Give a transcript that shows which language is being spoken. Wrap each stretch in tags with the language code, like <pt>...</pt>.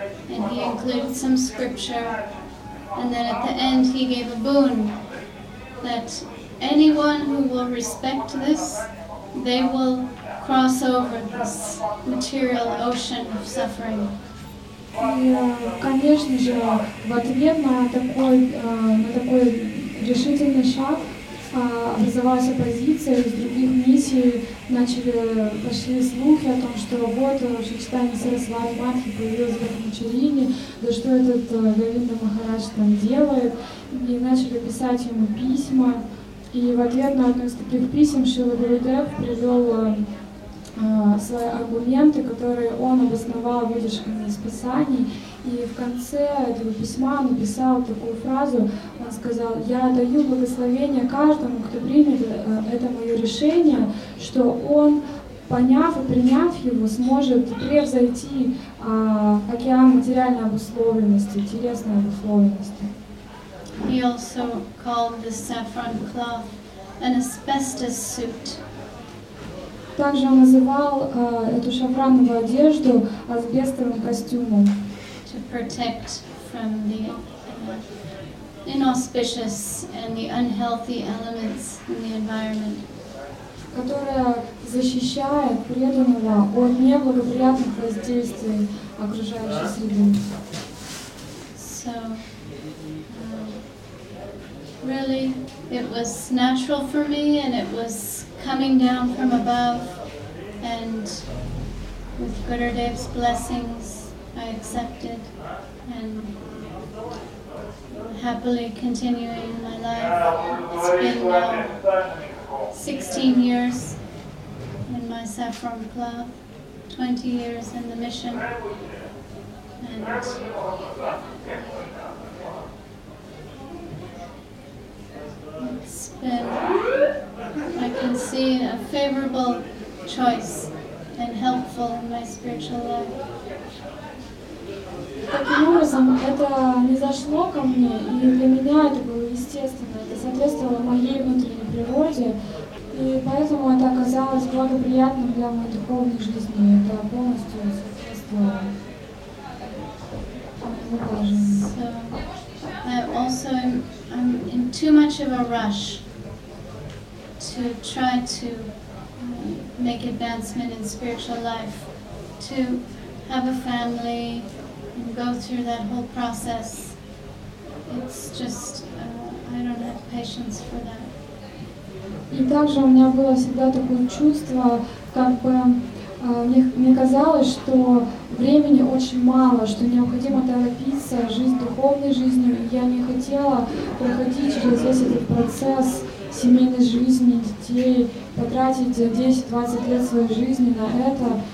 <en>And he included some scripture. And then at the end he gave a boon that anyone who will respect this, they will cross over this material ocean of suffering.</en> <ru>Конечно же, в ответ на такой решительный шаг образовалась оппозиция, из других миссий пошли слухи о том, что вот Шичтани Сарасвати Матхи появилась в Махачарине, да что этот Говинда Махарадж там делает, и начали писать ему письма. И в ответ на одно из таких писем Шрила Гурудев привел свои аргументы, которые он обосновал выдержками из писаний. И в конце этого письма он написал такую фразу, он сказал: «Я даю благословение каждому, кто примет это мое решение, что он, поняв и приняв его, сможет превзойти океан материальной обусловленности, телесной обусловленности».</ru> <en>He also called the saffron cloth an asbestos suit.</en> <ru>Также он называл эту шафрановую одежду асбестовым костюмом.</ru> <en>To protect from the inauspicious and the unhealthy elements in the environment.</en> <ru>Которая защищает преданного от неблагоприятных воздействий окружающей среды.</ru> <en>So, really, it was natural for me, and it was coming down from above, and with Gurudev's blessings, I accepted, and happily continuing my life. It's been now 16 years in my saffron cloth, 20 years in the mission, and it's been, I can see, a favorable choice and helpful in my spiritual life.</en> <ru>Таким образом, это не зашло ко мне, и для меня это было естественно. Это соответствовало моей внутренней природе, и поэтому это оказалось благоприятным для моей духовной жизни. Это полностью соответствовало моему положению.</ru> <en>I'm in too much of a rush to try to make advancement in spiritual life, to have a family and go through that whole process. It's just, I don't have patience for that.</en> <ru>И также у меня было всегда такое чувство, как бы мне казалось, что времени очень мало, что необходимо торопиться жить духовной жизнью, и я не хотела проходить через весь этот процесс семейной жизни, детей, потратить 10-20 лет своей жизни на это.</ru>